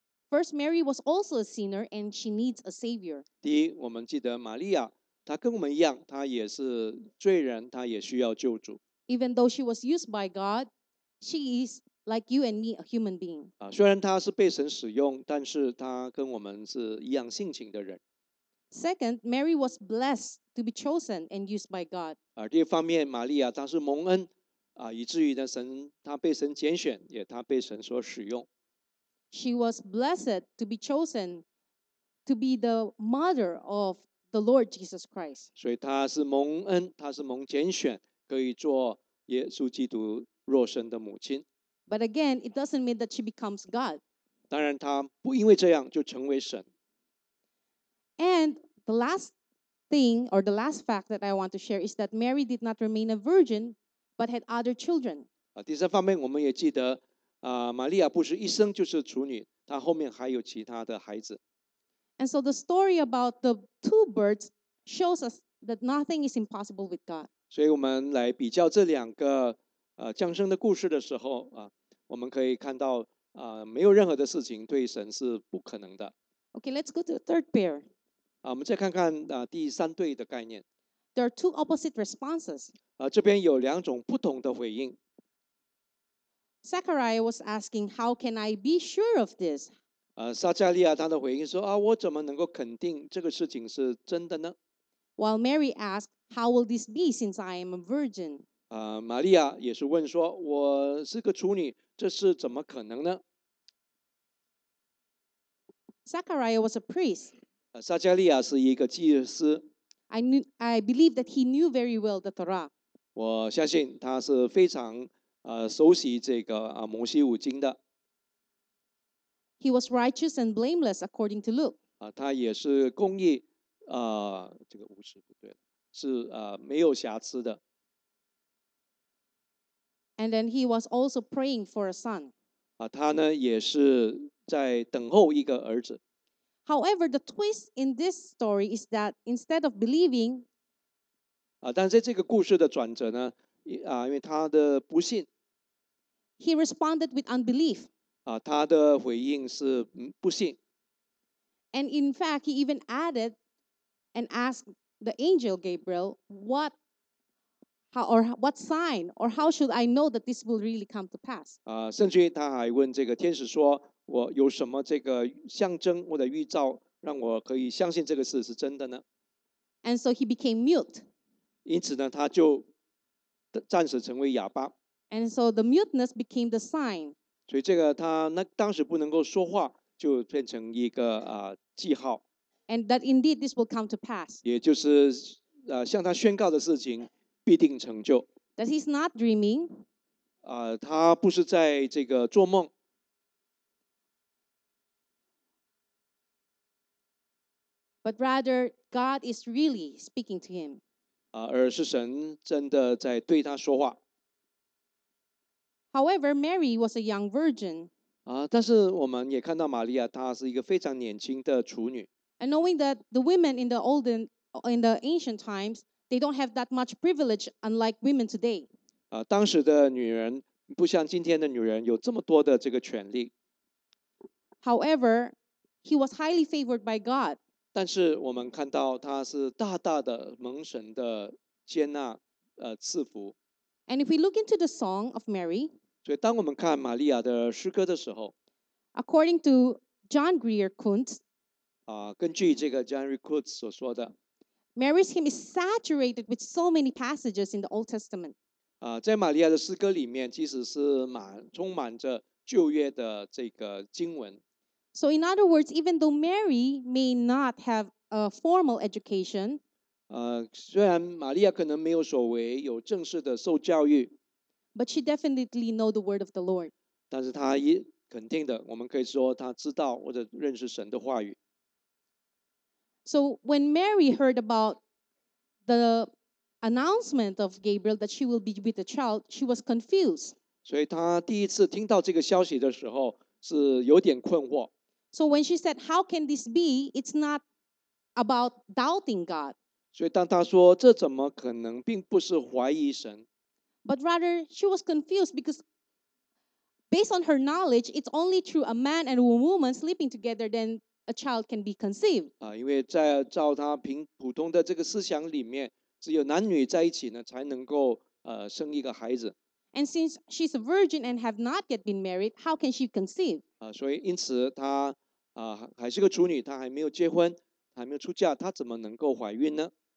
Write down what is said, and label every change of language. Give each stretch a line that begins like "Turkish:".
English: First, Mary was also a sinner, and she needs a savior.
Chinese: 第一，我们记得玛利亚，她跟我们一样，她也是罪人，她也需要救主。
English: Even though she was used by God, she is like you and me, a human being.
Chinese: 虽然她是被神使用，但是她跟我们是一样性情的人。
English: Second, Mary was blessed to be chosen and used by God.
Chinese: 第二方面，玛利亚她是蒙恩，以至于呢神她被神拣选，也她被神所使用。
English: She was blessed to be chosen to be the mother of the Lord Jesus Christ.
Chinese: 所以她是蒙恩，她是蒙拣选，可以做耶稣基督若生的母亲。
English: But again, it doesn't mean that she becomes God.
Chinese: 当然她不因为这样就成为神。
English: And the last thing or the last fact that I want to share is that Mary did not remain a virgin, but had other children.
Chinese: 第三方面我们也记得玛利亚不是一生就是处女，她后面还有其他的孩子。
English: And so the story about the two births shows us that nothing is impossible with God.
Chinese: 所以我们来比较这两个降生的故事的时候我们可以看到没有任何的事情对神是不可能的。
English: Okay, let's go to the third pair.
Chinese: 我们再看看第三对的概念。
English: There are two opposite responses.
Chinese: 这边有两种不同的回应。
English: Zechariah was asking, "How can I be sure of this?"
Chinese: 撒加利亚他的回应说我怎么能够肯定这个事情是真的呢？
English: While Mary asked, "How will this be since I am a virgin?"
Chinese: 玛利亚也是问说，我是个处女，这是怎么可能呢？
English: Zechariah was a priest.
Chinese: 撒加利亚是一个祭司。
English: I believe that he knew very well the Torah.
Chinese: 我相信他是非常熟悉这个摩西五经的。
English: He was righteous and blameless according to Luke.
Chinese: 他也是公义，这个五十不对，是没有瑕疵的。
English: And then he was also praying for a son.
Chinese: 他呢也是在等候一个儿子。
English: However, the twist in this story is that instead of believing,
Chinese: 但是这个故事的转折呢？因为他的不信。
English: He responded with unbelief.
Chinese: 他的回应是不信。
English: And in fact, he even added and asked the angel Gabriel, what sign or how should I know that this will really come to pass?
Chinese: 甚至他还问这个天使说，我有什么这个象征或者预兆，让我可以相信这个事是真的呢？
English: And so he became mute.
Chinese: 因此呢，他就暂时成为哑巴。
English: And so the muteness became the sign.
Chinese: 所以这个他那当时不能够说话，就变成一个记号。
English: And that indeed this will come to pass.
Chinese: 也就是向他宣告的事情必定成就。
English: That he's not dreaming.
Chinese: 他不是在这个做梦。
English: But rather, God is really speaking to him.
Chinese: 而是神真的在对他说话。
English: However, Mary was a young virgin.
Chinese: 但是我们也看到玛利亚，她是一个非常年轻的处女。
English: And knowing that the women in the olden, in the ancient times, they don't have that much privilege, unlike women today.
Chinese: 当时的女人不像今天的女人有这么多的这个权利。
English: However, he was highly favored by God.
Chinese: 但是我们看到他是大大的蒙神的接纳赐福。
English: And if we look into the song of Mary,
Chinese: 所以当我们看玛利亚的诗歌的时候，
English: according to John Grier Kuntz,
Chinese: 根据这个 John Grier Kuntz 所说的，
English: Mary's hymn is saturated with so many passages in the Old Testament.
Chinese: 在玛利亚的诗歌里面，即使是充满着旧约的这个经文。
English: So in other words, even though Mary may not have a formal education,
Chinese: 虽然玛利亚可能没有所谓有正式的受教育
English: ，but she definitely know the word of the Lord.
Chinese: 但是她也肯定的，我们可以说她知道或者认识神的话语。
English: So when Mary heard about the announcement of Gabriel that she will be with a child, she was confused.
Chinese: 所以她第一次听到这个消息的时候是有点困惑。
English: So when she said, "How can this be?" It's not about doubting God.
Chinese: 所以当她说这怎么可能，并不是怀疑神。
English: But rather, she was confused because, based on her knowledge, it's only through a man and a woman sleeping together then a child can be conceived.
Chinese: 因为在照她凭普通的这个思想里面，只有男女在一起呢，才能够生一个孩子。
English: And since she's a virgin and have not yet been married, how can she conceive?
Chinese: 所以因此她还是个处女，她还没有结婚，还没有出嫁，她怎么能够怀孕呢？